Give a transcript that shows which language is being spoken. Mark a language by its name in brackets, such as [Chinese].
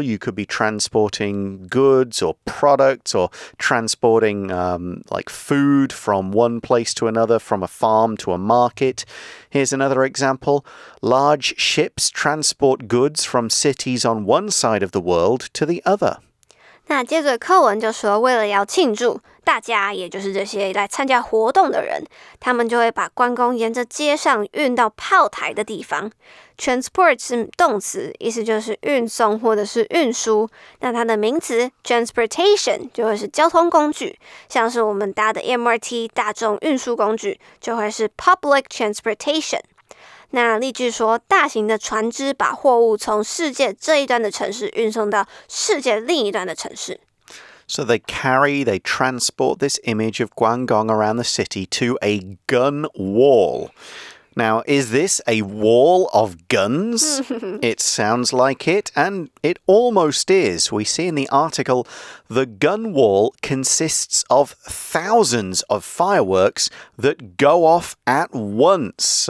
[English] You could be transporting goods or products or transporting like food from one place to another, from a farm to a market. Here's another example. Large ships transport goods from cities on one side of the world to the other. [Chinese] 那接着课文就说，为了要庆祝，大家也就是这些来参加活动的人，他们就会把关公沿着街上运到炮台的地方。 Transport 是动词，意思就是运送或者是运输。那它的名词 transportation 就会是交通工具，像是我们搭的 MRT 大众运输工具就会是 [English] public transportation。 [Chinese] 那例句说，大型的船只把货物从世界这一端的城市运送到世界另一端的城市。 [English] So they transport this image of Guangdong around the city to a gun wall. Now, is this a wall of guns? It sounds like it, and it almost is. We see in the article, the gun wall consists of thousands of fireworks that go off at once.